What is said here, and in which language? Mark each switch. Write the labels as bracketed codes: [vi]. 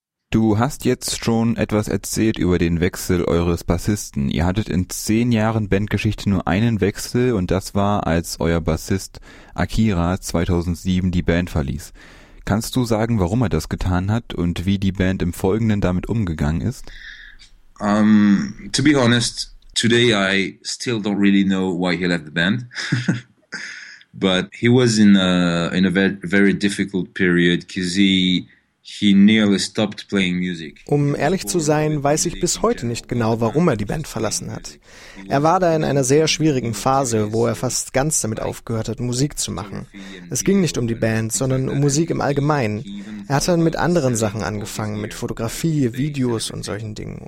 [de] Du hast jetzt schon etwas erzählt über den Wechsel eures Bassisten. Ihr hattet in 10 Jahren Bandgeschichte nur einen Wechsel und das war, als euer Bassist Akira 2007 die Band verließ. Kannst du sagen, warum er das getan hat und wie die Band im Folgenden damit umgegangen ist? [en] To be honest, today I still don't really know why he left the band. But he was in a very difficult period, because he nearly stopped playing music. [de] Um ehrlich zu sein, weiß ich bis heute nicht genau, warum er die Band verlassen hat. Er war da in einer sehr schwierigen Phase, wo er fast ganz damit aufgehört hat, Musik zu machen. Es ging nicht um die Band, sondern um Musik im Allgemeinen. Er hat dann mit anderen Sachen angefangen, mit Fotografie, Videos und solchen Dingen.